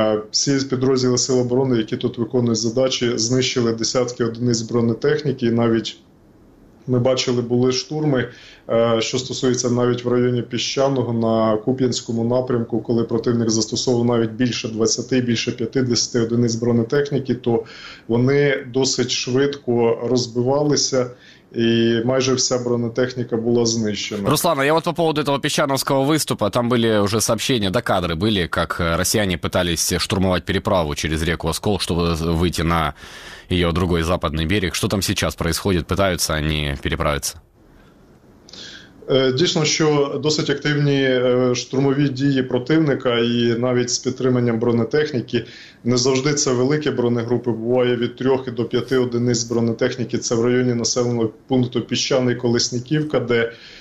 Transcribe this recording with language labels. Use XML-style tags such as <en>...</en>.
<uk>всі підрозділи Сил оборони, які тут виконують задачі, знищили десятки одиниць бронетехніки і навіть ми бачили, були штурми, що стосується навіть в районі Піщаного, на Куп'янському напрямку, коли противник застосовував навіть більше 20, більше 50 одиниць бронетехніки, то вони досить швидко розбивалися. І майже вся бронетехніка була знищена.</uk> <ru>Руслан, я вот по поводу этого Песчановского выступа, там были уже сообщения, да, кадры были, как россияне пытались штурмовать переправу через реку Оскол, чтобы выйти на ее другой западный берег. Что там сейчас происходит? Пытаются они переправиться?</ru> <uk>Дійсно, що досить активні штурмові дії противника і навіть з підтриманням бронетехніки, не завжди це великі бронегрупи, буває від 3 до 5 одиниць бронетехніки, це в районі населеного пункту Піщаний Колесниківка, де</uk>